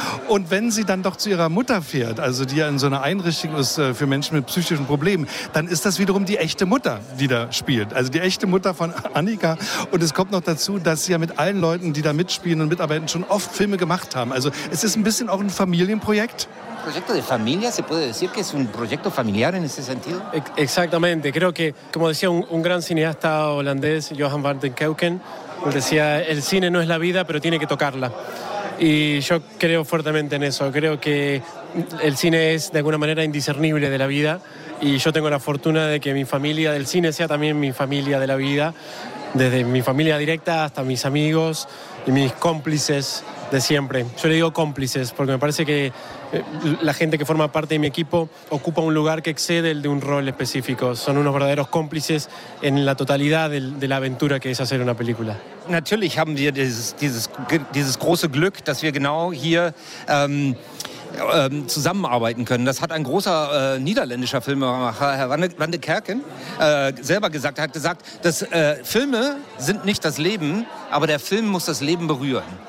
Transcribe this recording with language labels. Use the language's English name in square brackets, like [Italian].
[German] Und wenn sie dann doch zu ihrer Mutter fährt, also die ja in so einer Einrichtung ist für Menschen mit psychischen Problemen, dann ist das wiederum die echte Mutter, die da spielt. Also die echte Mutter von Annika. Und es kommt noch dazu, dass sie ja mit allen Leuten, die da mitspielen und mitarbeiten, schon oft Filme gemacht haben. Also es ist ein bisschen auch ein Familienprojekt. [Spanish] Proyecto de familia, se puede decir que es un proyecto familiar en ese sentido. Exactamente, creo que como decía un gran cineasta holandés, Johan van den Keuken, decía el cine no es la vida, pero tiene que tocarla. Y yo creo fuertemente en eso. Creo que el cine es de alguna manera indiscernible de la vida y yo tengo la fortuna de que mi familia del cine sea también mi familia de la vida, desde mi familia directa hasta mis amigos y mis cómplices. De siempre. Yo le digo cómplices porque me parece que la gente que forma parte de mi equipo ocupa un lugar que excede el de un rol específico. Son unos verdaderos cómplices en la totalidad de la aventura que es hacer una película. [German] Natürlich haben wir dieses große Glück, dass wir genau hier zusammenarbeiten können. Das hat ein großer niederländischer Filmemacher, Herr Van de Kerken, selber gesagt. Er hat gesagt, dass Filme sind nicht das Leben, aber der Film muss das Leben berühren.